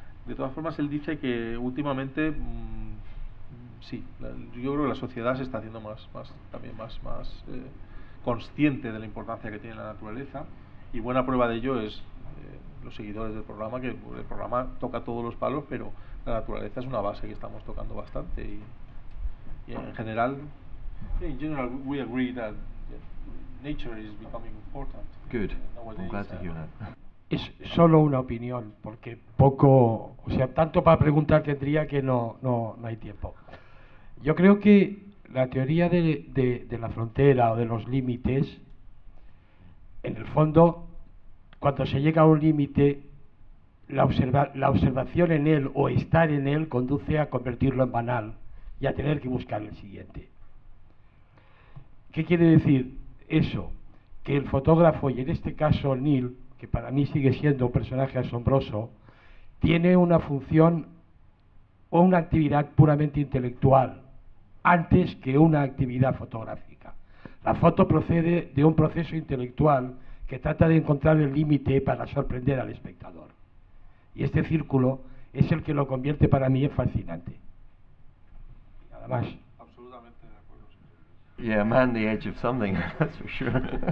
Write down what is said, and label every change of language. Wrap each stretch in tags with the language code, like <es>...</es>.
<es>De todas formas, él dice que últimamente, sí, yo creo que la sociedad se está haciendo más consciente de la importancia que tiene la naturaleza, y buena prueba de ello es los seguidores del programa, que el programa toca todos los palos, pero la naturaleza es una base que estamos tocando bastante, y en general,</es> <en>yeah, in general we agree that nature is becoming important. Good. Nowadays, I'm glad to hear that.</en> <es>Es solo una opinión, porque poco, o sea, tanto para preguntar tendría que no hay tiempo. Yo creo que la teoría de la frontera o de los límites, en el fondo, cuando se llega a un límite, la observación en él o estar en él conduce a convertirlo en banal y a tener que buscar el siguiente. ¿Qué quiere decir eso? Que el fotógrafo, y en este caso Neil, que para mí sigue siendo un personaje asombroso, tiene una función o una actividad puramente intelectual antes que una actividad fotográfica. La foto procede de un proceso intelectual que trata de encontrar el límite para sorprender al espectador. Y este círculo es el que lo convierte para mí en fascinante. Y nada más. Absolutamente de acuerdo.</es> <en>Yeah, man the edge of something, that's for sure.</en>